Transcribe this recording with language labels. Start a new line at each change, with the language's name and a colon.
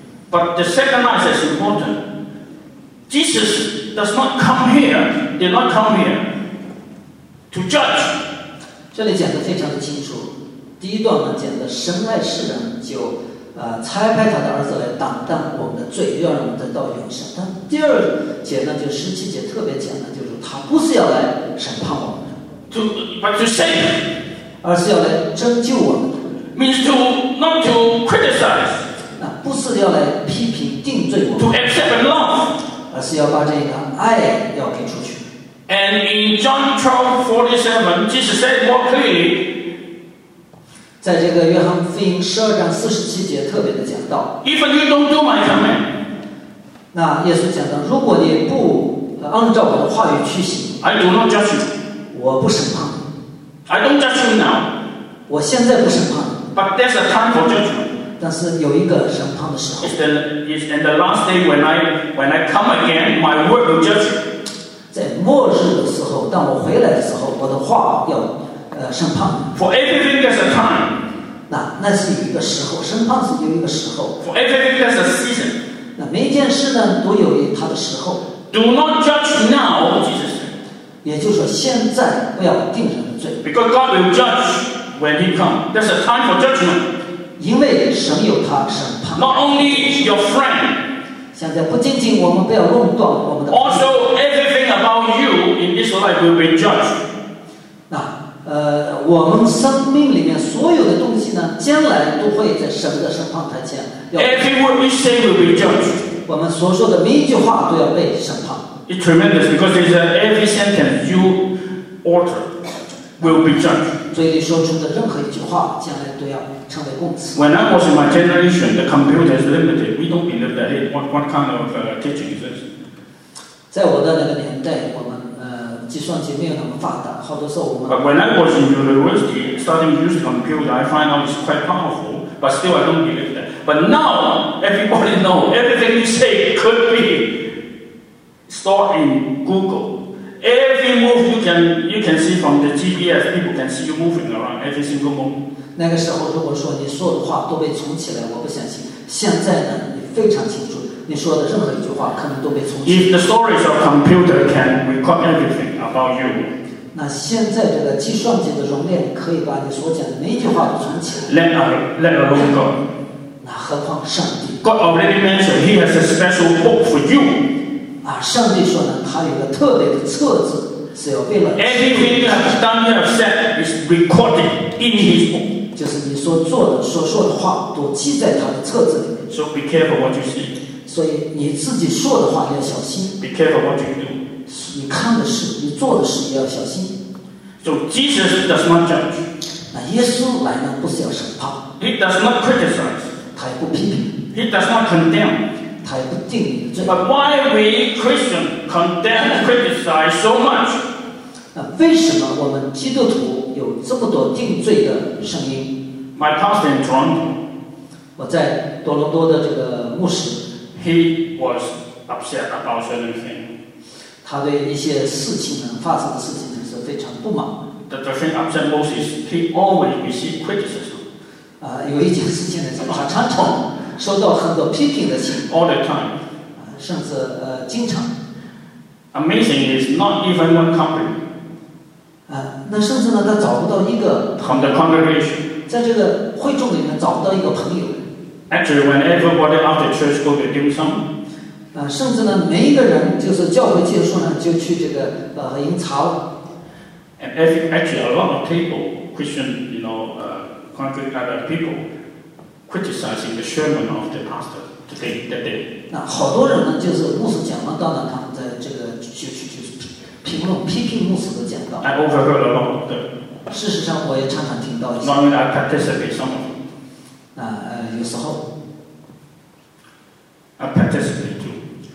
English: But the second line is important. Jesus does not come here, did not come here. To judge.
Chinese: 这里讲得非常的清楚。第一段呢，讲的神爱世人，就差派他的儿子来担当我们的罪，让我们得到永生。但第二节呢，就十七节特别讲的，就是他不是要来审判我们的
English: ，but to save,
Chinese: 而是要来拯救我们。
English: Means to not to criticize.
Chinese: 那不是要来批评定罪我们。
English: To accept and love,
Chinese: 而是要把这个爱要给出去。
English: And in John 12:47, Jesus said more clearly.
Chinese: 在这个约翰福音十二章四十七节特别的讲到。
English: Even you don't do my command.
Chinese: 那耶稣讲到，如果你不按照我的话语去行
English: ，I do not judge you.
Chinese: 我不审判。
English: I don't judge you now.
Chinese: 我现在不审判。
English: But there's a time for judgment.
Chinese: 但是有一个审判的时候。
English: It's the last day when I come again, my word will judge you.
Chinese: 在末日的时候，当我回来的时候，我的话要审判。
English: For everything there's a time.
Chinese: 那是有一个时候，审判是有一个时候。
English: For everything there's a season.
Chinese: 那每一件事呢，都有它的时候。
English: Do not judge now, Jesus.
Chinese: 也就是说，现在不要定人的罪。
English: Because God will judge when He comes. There's a time for judgment.
Chinese: 因为神有他审判。
English: Not only your friend.
Chinese: 现在不仅仅我们不要论断我们的。
English: Also, everything about you in this life will be judged.
Chinese: 那我们生命里面所有的东西呢，将来都会在神的审判台前。
English: Every word we say will be judged.
Chinese: 我们所说的每一句话都要被审判。
English: It's tremendous because it's every sentence you utter will be judged.
Chinese: 嘴里说出的任何一句话，将来都要成为供词。
English: When I was in my generation, the computer is limited. We don't believe that. What kind of teaching is this?
Chinese: 在我的那个年代，我们计算机没有那么发达，好多时候我们。
English: But when I was in university, starting to use computer, I find out it's quite powerful. But still, I don't believe that. But now, everybody know everything you say could be stored in Google. Every move you can see from the GPS, people can see you moving around every single moment.
Chinese: 那个时候，如果说你所有的话都被存起来，我不相信。现在呢，你非常清楚。你说的任何一句话可能都被重启。
English: If the storage of computer can record everything about you,
Chinese: 那现在这个计算机的容量可以把你所讲的每一句话都存起
English: 来。Let alone God.
Chinese: 那何况上帝。
English: God already mentioned He has a special book for you.
Chinese: 啊，上帝说呢，他有个特别的册子，是要为了。
English: Everything you have done, you have said is recorded in His book.
Chinese: 就是你所做的、所说的话都记在他的册子里面。
English: So be careful what you see.
Chinese: 所以你自己说的话要小心。
English: Be careful what you do.
Chinese: 你看的事，你做的事也要小心。
English: So Jesus does not judge.
Chinese: 那耶稣来呢，不是要审判。
English: He does not criticize.
Chinese: 他也不批评。
English: He does not condemn.
Chinese: 他也不定你的罪。
English: But why we Christians condemn, criticize so much?
Chinese: 那为什么我们基督徒有这么多定罪的声音？
English: My pastor in Toronto.
Chinese: 我在多伦多的这个牧师。
English: He was upset about certain things.
Chinese: 他对一些事情呢，发生的事情呢，是非常不满。
English: The thing upset most is he always received criticism.
Chinese: 有一件事情呢，他常常收到很多批评的信。
English: All the time.
Chinese: 甚至经常。
English: Amazing is not even one company.
Chinese: 那甚至呢，他找不到一个。
English: From the congregation.
Chinese: 在这个会众里面找不到一个朋友。
English: Actually, when everybody after church go to dim sum,
Chinese: 甚至呢，每一个人就是教会结束呢，就去这个饮茶了。
English: And actually, a lot of people, Christian, you know, congregation people, criticizing the sermon of the pastor today that day.
Chinese: 那好多人呢，就是牧师讲完道呢，他们在这个就评论批评牧师的讲道。
English: I overheard a lot of them.
Chinese: 事实上，我也常常听到。
English: Not only I participate some of them.
Chinese: 有时候
English: I participate too.